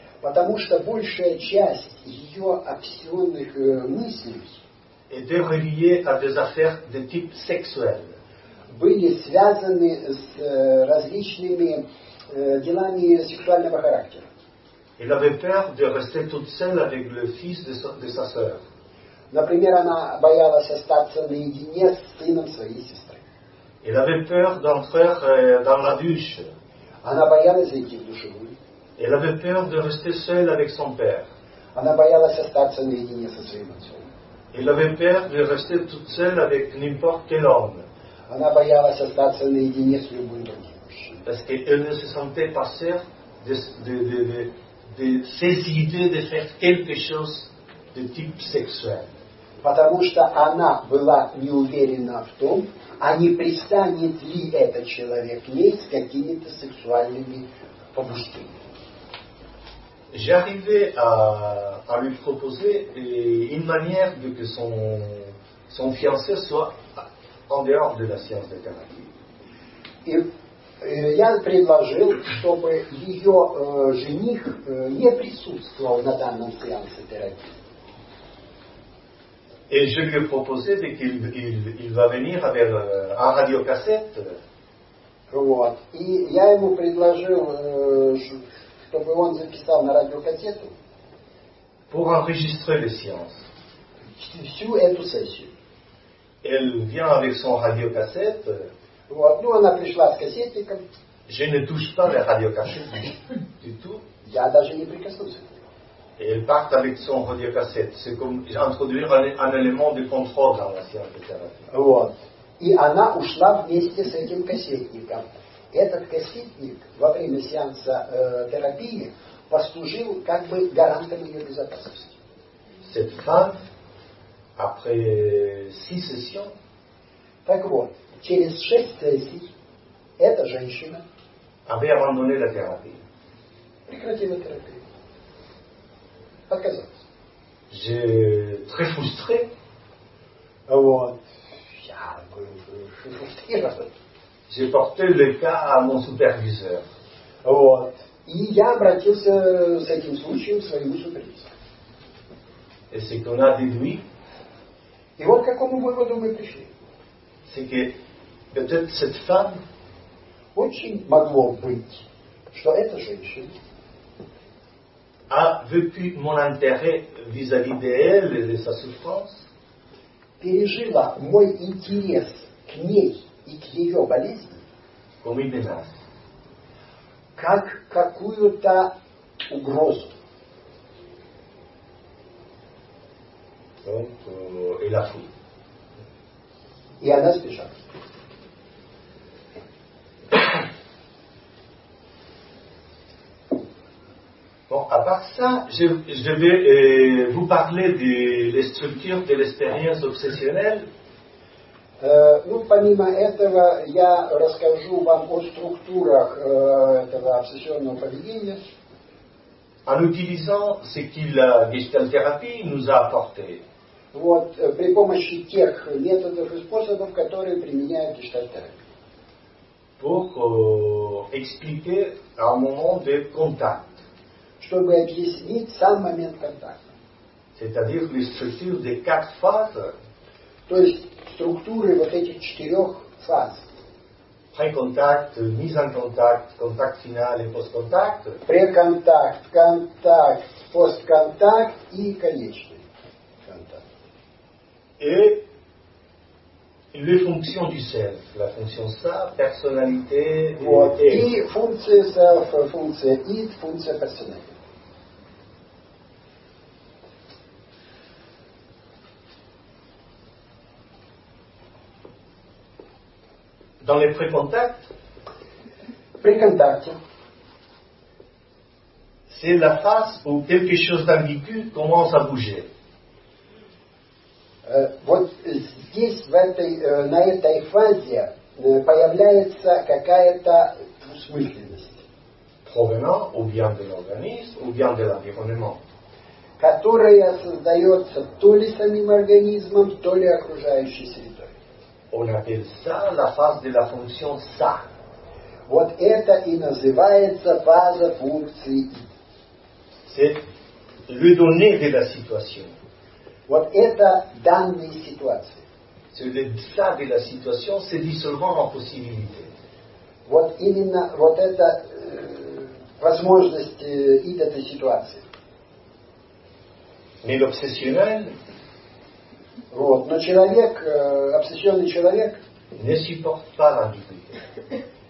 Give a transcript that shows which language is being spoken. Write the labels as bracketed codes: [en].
[ru] Потому что большая часть ее обсессионных мыслей были связаны с различными делами сексуального характера. [fr] Elle avait peur de rester toute seule avec le fils de sa sœur. [ru] Например, она боялась остаться наедине с сыном своей сестры. [fr] Elle avait peur d'entrer dans la douche. [ru] Она боялась идти в душевую. [fr] Elle avait peur de rester seule avec son père. [ru] Она боялась остаться наедине со своим отцом. [fr] Elle avait peur de rester toute seule avec n'importe quel homme. [ru] Она боялась остаться наедине с любым другим мужчиной. [fr] Parce qu'elle ne se sentait pas sûre de ses idées de faire quelque chose de type sexuel. [ru] Потому что она была не уверена в том, а не пристанет ли этот человек ей с какими-то сексуальными побуждениями. [fr] J'arrivais à lui proposer une manière de que son fiancé soit en dehors de la science de thérapie. [ru] Я предложил, чтобы ее жених не присутствовал на данном сеансе терапии. [fr] Et je lui ai proposé qu'il va venir avec un radiocassette. [ru] Вот. И я ему предложил, чтобы он записал на радиокассету. [fr] Pour enregistrer les séances. [ru] Всю эту сессию. [fr] Elle vient avec son radiocassette. [ru] Вот, ну она пришла с кассетником. [fr] Je ne touche pas les radiocassettes du tout. [ru] Я даже не прикоснулся. [fr] Et elle part avec son radiocassette. C'est comme introduire un élément de contrôle dans la science de thérapie. [ru] Вот. И она ушла вместе с этим кассетником. Этот кассетник во время сеанса терапии послужил как бы гарантом ее безопасности. [fr] Cette femme, après 6 sessions. [ru] Так вот. Через 6 сессий эта женщина [fr] abandonné la thérapie. [ru] Прекратила терапию. Отказалась. [fr] Je très frustré. [ru] Вот. Я был фрустрирован. [fr] J'ai porté le cas à mon superviseur. [ru] Вот. И я обратился с этим случаем к своему супервизору. [fr] Et c'est qu'on a déduit. [ru] И вот к какому выводу мы пришли. [fr] C'est que peut-être cette femme, [ru] очень могло быть, что эта женщина [fr] a vécu mon intérêt vis-à-vis d'elle et de sa souffrance, [ru] пережила мой интерес к ней и к ее болезни [fr] comme une menace, [ru] как какую-то угрозу. [fr] Donc, elle a fui. [ru] И она сбежала. [fr] Bon, à part ça, je vais vous parler des structures de l'expérience obsessionnelle. [ru] Ну, помимо этого, я расскажу вам о структурах этого обсессионного поведения. [fr] En utilisant ce que la Gestalt-thérapie nous a apporté. [ru] Вот, при помощи тех методов и способов, которые применяют Gestalt-thérapie. [fr] Pour expliquer un moment de contact. [ru] чтобы объяснить сам момент контакта. [fr] C'est-à-dire les structures des quatre phases. [ru] То есть структуры вот этих четырех фаз. [fr] Pré-contact, mise en contact, contact final et post-contact. Pré-contact, contact, post-contact [ru] и конечный контакт. [fr] Et les fonctions du self, la fonction ça, personnalité, [ru] вот. Et функция self, функция it, функция personnalité. [fr] Dans les pré-contacts, pré-contact, c'est la phase où quelque chose d'ambigu commence à bouger. [ru] Вот здесь в этой, на этой фазе появляется какая-то двусмысленность, [fr] provenant ou bien de l'organisme ou bien de l'environnement, [ru] которая создается то ли самим организмом, то ли окружающей средой. [fr] On appelle ça la phase de la fonction ça. [ru] Вот это и называется фаза функции it. [fr] C'est le donné de la situation. [ru] Вот это данные ситуации. [fr] C'est le ça de la situation, c'est dissolvant en possibilité. [ru] Вот именно вот это возможность it этой ситуации. [fr] Mais l'obsessionnel. [ru] Вот. Но человек, обсессионный человек [fr] не supporte pas l'ambiguïté.